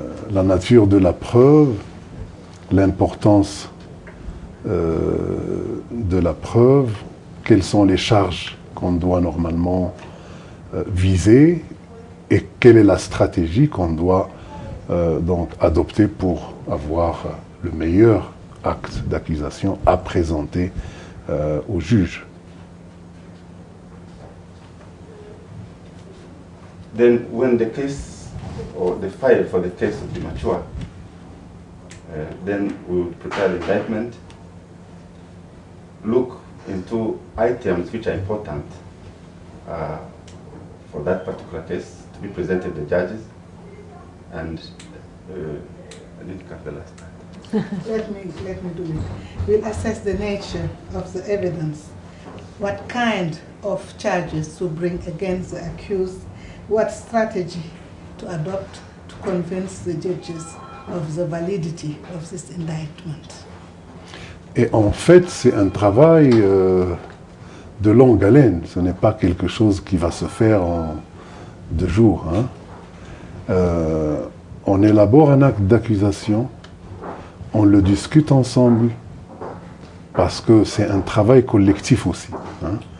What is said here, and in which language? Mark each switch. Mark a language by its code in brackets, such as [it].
[fr] la nature de la preuve, l'importance de la preuve, quelles sont les charges qu'on doit normalement viser et quelle est la stratégie qu'on doit donc adopter pour avoir le meilleur acte d'accusation à présenter au juge. [en] Then when the case or the file for the case of Dimachua, then we would prepare the indictment, look into items which are important for that particular case to be presented to the judges, and I need to cut the last part. let me do it. We'll assess the nature of the evidence, what kind of charges to bring against the accused, what strategy to adopt to convince the judges of the validity of this indictment. [fr] Et en fait, c'est un travail de longue haleine. Ce n'est pas quelque chose qui va se faire en deux jours. Hein. On élabore un acte d'accusation, on le discute ensemble, parce que c'est un travail collectif aussi. Hein.